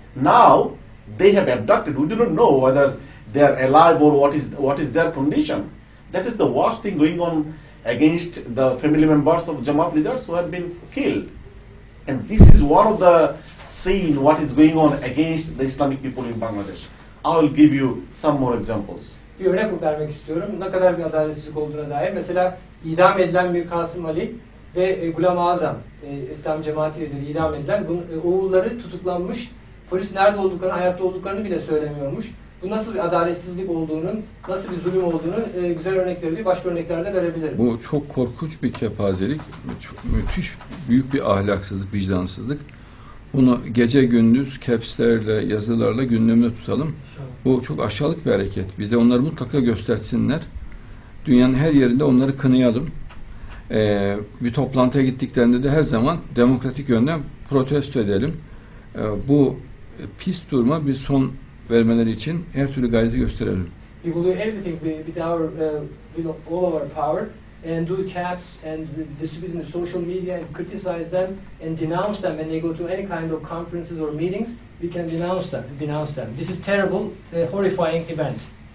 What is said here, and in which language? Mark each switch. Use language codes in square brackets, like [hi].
[en] Now they have abducted. We do not know whether they are alive or what is their condition. That is the worst thing going on against the family members of Jamaat leaders who have been killed. And this is one of the scene what is going on against the Islamic people in Bangladesh. I will give you some more examples. [tr] Bir örnek vermek istiyorum. Ne kadar bir adaletsizlik olduğuna dair. Mesela İdam edilen bir Kasım Ali, ve Gulam Azam, İslam cemaati lideri idam edilen, oğulları tutuklanmış, polis nerede olduklarını, hayatta olduklarını bile söylemiyormuş. Bu nasıl bir adaletsizlik olduğunun, nasıl bir zulüm olduğunun güzel örnekleri diye başka örnekler de verebilirim. Bu çok korkunç bir kepazelik, müthiş büyük bir ahlaksızlık, vicdansızlık. Bunu gece gündüz capslerle, yazılarla gündemde tutalım. İnşallah. Bu çok aşağılık bir hareket. Bize onları mutlaka göstersinler. Dünyanın her yerinde onları kınayalım. Bir toplantıya gittiklerinde de her zaman demokratik yönden protesto edelim. Bu pis duruma bir son vermeleri için her türlü gayreti gösterelim. [en] We will do everything with all of our power and do caps and distribute in the social media and criticize them and denounce them when they go to any kind of conferences or meetings. We can denounce them. This is terrible, horrifying event.